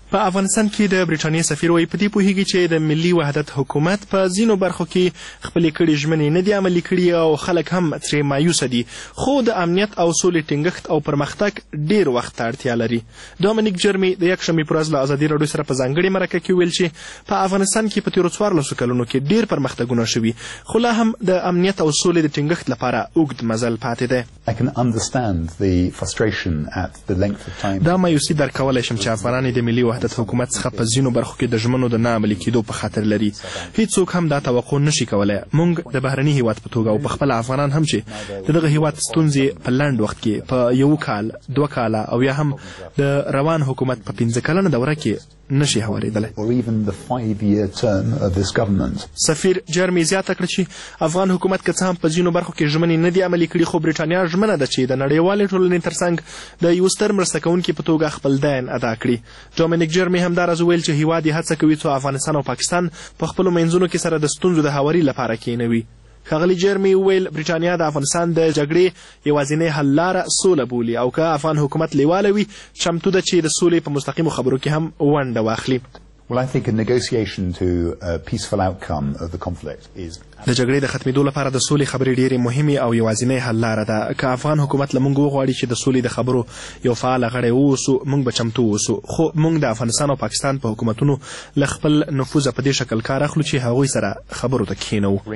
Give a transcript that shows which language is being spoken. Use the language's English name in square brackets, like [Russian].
[Pashto] په افغانستان کې د برېټانیا سفیر وایي په دې پوهیږي چې د ملي وحدت حکومت په ځینو برخو کې خپلې کړې ژمنې نه دي عملي کړې او خلک هم ترې مایوسه دي، خو د امنیت او سولې ټینګښت او پرمختګ ډیر وخت ته اړتیا لري. دومینیک جرمی د یک شمې پر ورځ له ازادي راډیو سره په ځانګړې مرکه کې ویل چې په افغانستان کې په تیرو 14 کلونو کې ډیر پرمختګونه شوي، خو لا هم د امنیت او سولې د ټینګښت لپاره اوږد مزل پاتې دی. [English] I can understand the frustration at the length of time. [Pashto] دا مایوسی در کولای شم چې افغانان د ملي وحدت حکومت څخه په ځینو برخو کې د ژمنو د نه عملي کېدو په خاطر لري. هیڅوک هم دا توقع نشي کولای. موږ د بهرني هیواد په توګه او په خپل افغانان هم چې دغه هیواد ستونزې په لنډ وخت کې په یو کال، دوه کال او یا هم د روان حکومت په 15 کلنه دوره کې نشي هواریدلې. سفیر جرمی زیاته کړ چې افغان حکومت که څه هم په ځینو برخو کې ژمنې نه دي عملي کړې، خو برېټانیا ژمنه ده چې د نړیوالې ټولنې ترڅنګ د یو ستر مرسته کوونکي په توګه خپل دین ادا کړي. ډومینیک جرمی هم داراز ویل چې هیواد هڅه کوي څو افغانستان او پاکستان په خپلو منځونو کې سره د ستونزو د هواري لپاره کینوي. خغلی جرمی ویل برېټانیا د افغانستان د جګړې یوازینې حل لار سولې بولی او که افغان حکومت لیواله وي چمتو ده چې د سولې په مستقیمو خبرو کې هم ونډه واخلي. [English] Well, I think a negotiation to a peaceful outcome of the conflict is [Pashto] د جګړې د ختمېدو لپاره د سولې خبرې ډېرې مهمې او یوازینې حل لار ده. که افغان حکومت لمونږ وغواړي چې د سولې د خبرو یو فعال غړی ووسو، موږ به چمتو ووسو، خو موږ د افغانستان او پاکستان په حکومتونو له خپل نفوذه په دې شکل کار اخلو چې هغوی سره خبرو ته کښېنو.